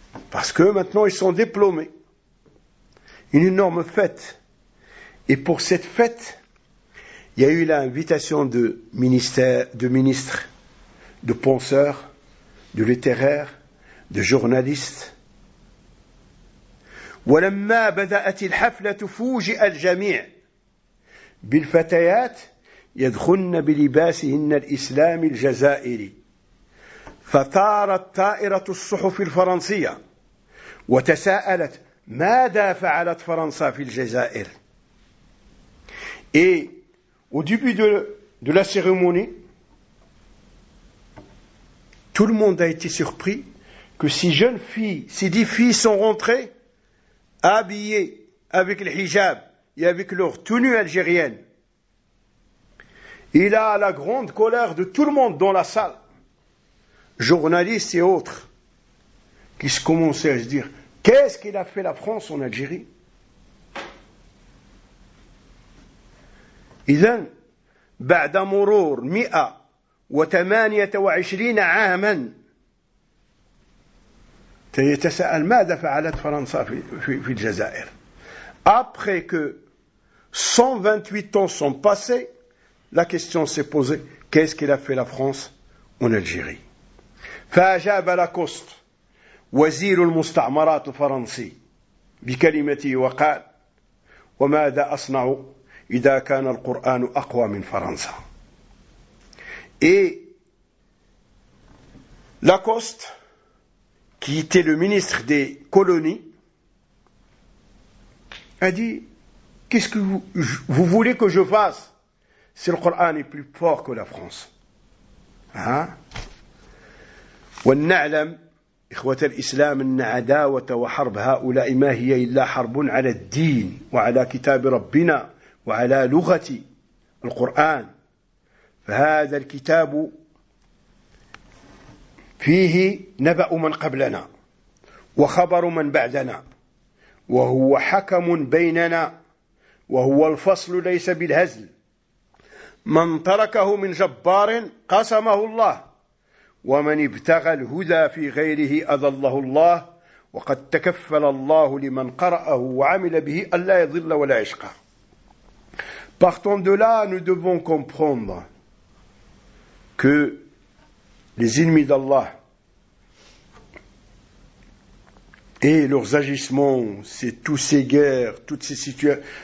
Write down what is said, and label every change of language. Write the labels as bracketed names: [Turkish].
[French] Parce que maintenant, ils sont diplômés. Une énorme fête. Et pour cette fête, il y a eu l'invitation de ministres, de penseurs, de littéraires, de journalistes. [Arabic] ولما بدأت الحفلة فوجئ الجميع بالفتيات يدخلن بلباسهن الإسلامي الجزائري فطارت طائرة الصحف الفرنسية وتساءلت ماذا فعلت فرنسا في الجزائر. [French] Au début de la cérémonie, tout le monde a été surpris que ces jeunes filles, ces 10 filles sont rentrées habillées avec le hijab et avec leur tenue algérienne. Il a la grande colère de tout le monde dans la salle, journalistes et autres, qui se commençaient à se dire, qu'est-ce qu'il a fait la France en Algérie? [Arabic] إذن بعد مرور 128 عاما يتساءل ماذا فعلت فرنسا في الجزائر. [French] Après que 128 ans sont passés, la question s'est posée, qu'est-ce qu'il a fait la France en Algérie. [Arabic] فأجاب لاكوست وزير المستعمرات الفرنسي بكلمته وقال وماذا أصنع إذا كان القرآن أقوى من فرنسا. [French] Et Lacoste, qui était le ministre des colonies, a dit, qu'est-ce que vous voulez que je fasse si le Coran est plus fort que la France? [Arabic] ونعلم إخوة الإسلام أن عداوة وحرب هؤلاء ما هي إلا حرب على الدين وعلى كتاب ربنا وعلى لغة القرآن. فهذا الكتاب فيه نبأ من قبلنا وخبر من بعدنا وهو حكم بيننا وهو الفصل ليس بالهزل. من تركه من جبار قسمه الله ومن ابتغى الهدى في غيره أضله الله وقد تكفل الله لمن قرأه وعمل به ألا يضل ولا يشقى. [French] Partant de là, nous devons comprendre que les ennemis d'Allah et leurs agissements, c'est tous ces guerres, toutes ces situations,